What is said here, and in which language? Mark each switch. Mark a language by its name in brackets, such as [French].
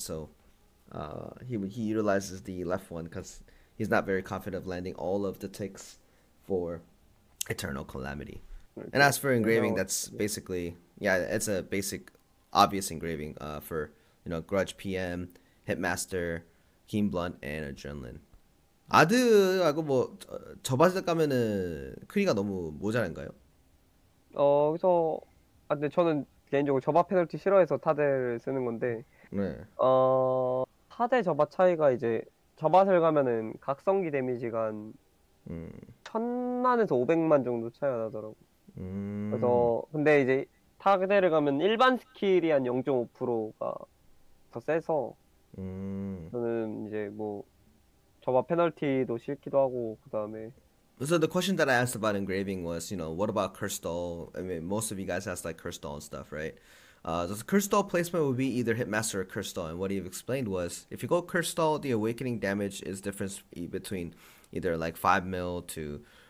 [English] So he utilizes the left one because he's not very confident of landing all of the ticks for Eternal Calamity. And as for engraving, that's basically, yeah, it's a basic, obvious engraving for, you know, Grudge PM, Hitmaster, Keen Blunt and Adrenaline. [Korean] 아드하고 뭐 저바지다 까면은 크리가 너무 모자란가요? 그래서 아 근데 저는 개인적으로 저바 페널티 싫어해서 타대를 쓰는 건데. 네. 타대 저바 차이가 이제 저바를 가면은 각성기 데미지가 1000만에서 500만 정도 차이가 나더라고. 그래서 근데 이제 타대를 가면 일반 스킬이 한 0.5%가 더 세서 저는 이제 뭐 저바 페널티도 싫기도 하고 그다음에. [English] So the question that I asked about engraving was, you know, what about cursed doll? I mean, most of you guys asked like cursed doll and stuff, right? The cursed doll placement would be either Hitmaster or cursed doll. And what he explained was, if you go cursed doll, the awakening damage is difference between either like 5 mil to.